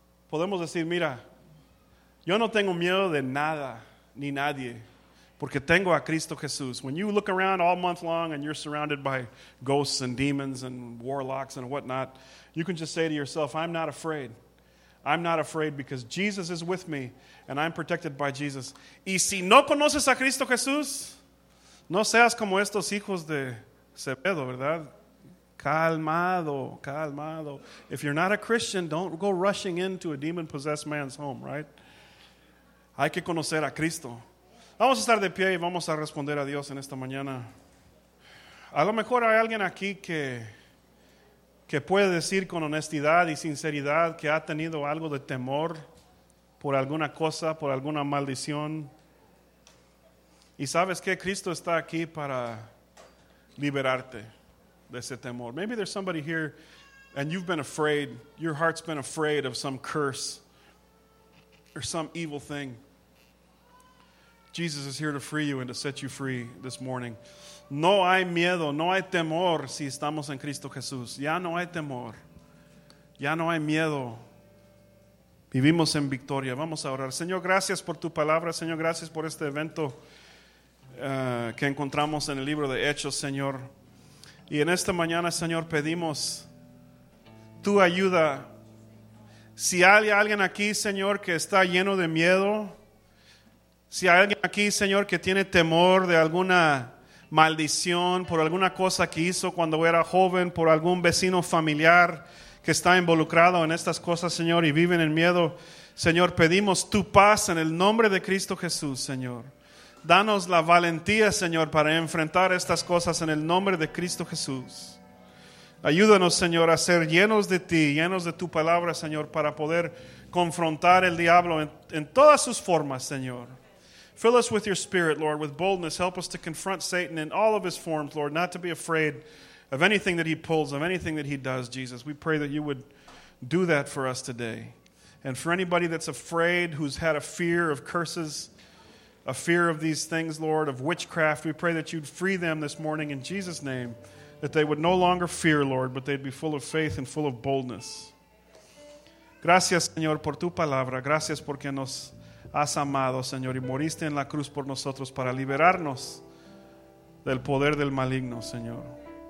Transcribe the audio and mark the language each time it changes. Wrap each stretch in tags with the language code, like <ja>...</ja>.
<es>Podemos decir, mira, yo no tengo miedo de nada ni nadie porque tengo a Cristo Jesús.</es> <en>When you look around all month long and you're surrounded by ghosts and demons and warlocks and whatnot, you can just say to yourself, I'm not afraid. I'm not afraid because Jesus is with me and I'm protected by Jesus.</en> <es>Y si no conoces a Cristo Jesús, no seas como estos hijos de Zebedeo, ¿verdad? Calmado, calmado.</es> <en>If you're not a Christian, don't go rushing into a demon-possessed man's home, right?</en> <es>Hay que conocer a Cristo. Vamos a estar de pie y vamos a responder a Dios en esta mañana. A lo mejor hay alguien aquí que puede decir con honestidad y sinceridad que ha tenido algo de temor por alguna cosa, por alguna maldición. Y sabes que Cristo está aquí para liberarte.</es> <en>Maybe there's somebody here and you've been afraid, your heart's been afraid of some curse or some evil thing. Jesus is here to free you and to set you free this morning.</en> <es>No hay miedo, no hay temor si estamos en Cristo Jesús. Ya no hay temor, ya no hay miedo. Vivimos en victoria. Vamos a orar. Señor, gracias por tu palabra. Señor, gracias por este evento que encontramos en el libro de Hechos, Señor. Y en esta mañana, Señor, pedimos tu ayuda. Si hay alguien aquí, Señor, que está lleno de miedo, si hay alguien aquí, Señor, que tiene temor de alguna maldición por alguna cosa que hizo cuando era joven, por algún vecino familiar que está involucrado en estas cosas, Señor, y viven en miedo. Señor, pedimos tu paz en el nombre de Cristo Jesús, Señor. Danos la valentía, Señor, para enfrentar estas cosas en el nombre de Cristo Jesús. Ayúdanos, Señor, a ser llenos de ti, llenos de tu palabra, Señor, para poder confrontar el diablo en todas sus formas, Señor.</es> <en>Fill us with your spirit, Lord, with boldness. Help us to confront Satan in all of his forms, Lord, not to be afraid of anything that he pulls, of anything that he does, Jesus. We pray that you would do that for us today. And for anybody that's afraid, who's had a fear of curses, a fear of these things, Lord, of witchcraft, we pray that you'd free them this morning in Jesus' name, that they would no longer fear, Lord, but they'd be full of faith and full of boldness.</en> <es>Gracias, Señor, por tu palabra. Gracias porque nos has amado, Señor, y moriste en la cruz por nosotros para liberarnos del poder del maligno, Señor.</es>